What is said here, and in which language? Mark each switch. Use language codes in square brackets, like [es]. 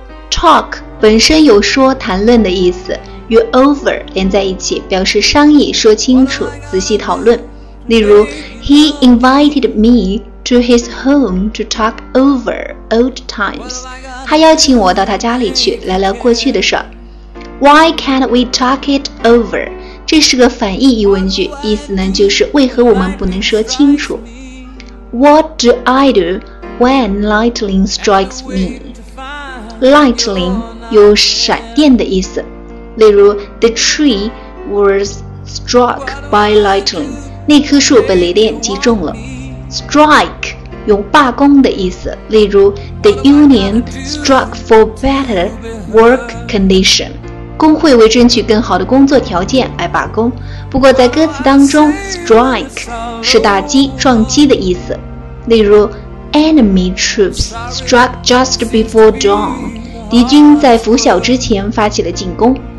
[zh] Talk 本身有说谈论的意思，与 over 连在一起表示商议，说清楚，仔细讨论。 [en] 例如 He invited me to his home to talk over old times. [zh] 他邀请我到他家里去聊聊过去的事。 [en] Why can't we talk it over? [zh] 这是个反义疑问句，意思呢就是为何我们不能说清楚。 [en] What do I do? When lightning strikes me, lightning [zh] 有闪电的意思。例如 [en] ，The tree was struck by lightning. [zh] 那棵树被雷电击中了。 Strike 有罢工的意思，例如 [en] The union struck for better work condition， [zh] 工会为争取更好的工作条件而罢工。不过在歌词当中， Strike 是打击、撞击的意思，例如 [en] Enemy troops struck just before dawn， [zh] 敌军在拂晓之前发起了进攻。